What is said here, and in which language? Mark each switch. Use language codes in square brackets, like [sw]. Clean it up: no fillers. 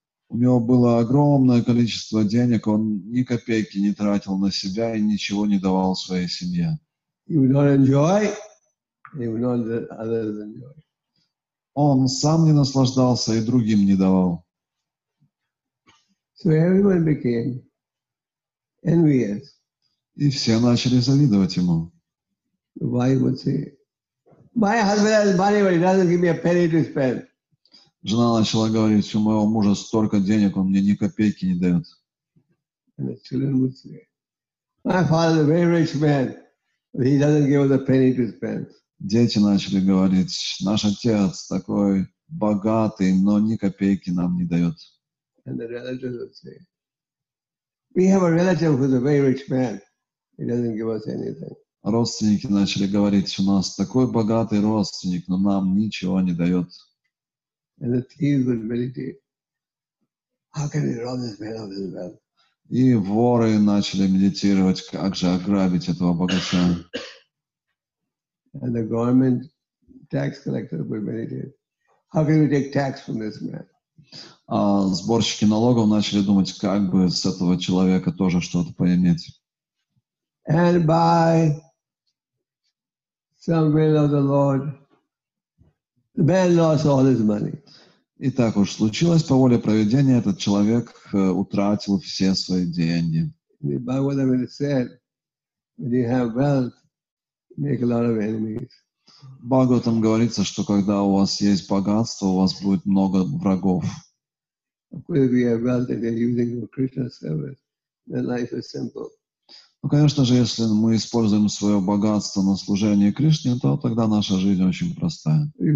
[ru] У него было огромное количество денег, он ни копейки не тратил на себя и ничего не давал своей семье. [en] He would not enjoy, he would not let others enjoy. [ru] Он сам не наслаждался и другим не давал. [en] So everyone became envious. [ru] И все начали завидовать ему. [en] The wife would say, "My husband has money, but he doesn't give me a penny to spend." [ru] Жена начала говорить: "У моего мужа столько денег, он мне ни копейки не дает." [en] And the children would say, "My father is a very rich man, but he doesn't give us a penny to spend." [ru] Дети начали говорить: "Наш отец такой богатый, но ни копейки нам не дает." [en] And the relatives would say, "We have a relative who is a very rich man. He doesn't give us anything." [ru] Родственники начали говорить: "У нас такой богатый родственник, но нам ничего не дает." [en] And the thieves would meditate, "How can we rob this man of his wealth?" [ru] И воры начали медитировать: "Как же ограбить этого богача?" [en] And the government tax collector would meditate, "How can we take tax from this man?" [ru] А сборщики налогов начали думать, как бы с этого человека тоже что-то поиметь. [en] And by some will of the Lord, the man lost all his money. [ru] И так уж случилось, по воле проведения, этот человек утратил все свои деньги. [en] By what I mean it said, when you have wealth, make a lot of enemies. [ru] Бхагаватам говорится, что когда у вас есть богатство, у вас будет много врагов. Ну, конечно же, если мы используем свое богатство на служение Кришне, то тогда наша жизнь очень простая.